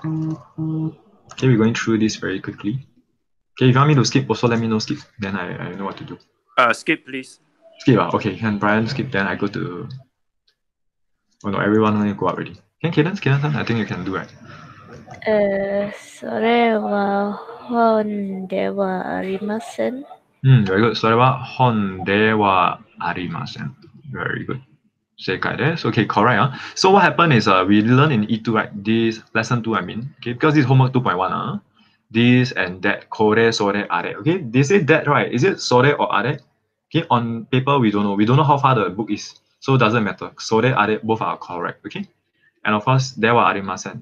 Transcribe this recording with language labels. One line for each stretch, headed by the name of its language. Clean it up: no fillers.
English: Okay, we're going through this very quickly. Okay, if you want me to skip, also let me know skip. Then I know what to do. Skip, please. Skip, okay. And Brian, skip. Then I go to... Oh no, everyone only go up already. Can Kaden, Kaden-san, I think you can do it.
Japanese: それは本ではありません。
English: Very good.
Japanese: それは本ではありません。
English: Very good.
Japanese: 正解です。
English: Okay, correct. So what happened is we learn in E2, right? This lesson 2, I mean. Okay, because this is homework 2.1. This and that.
Japanese: これ、それ、あれ。
English: Okay, they say that, right? Is it それ or あれ? Okay, on paper, we don't know. We don't know how far the book is. So it doesn't matter. それ、あれ、both are correct. Okay? And of course, there were arimasen.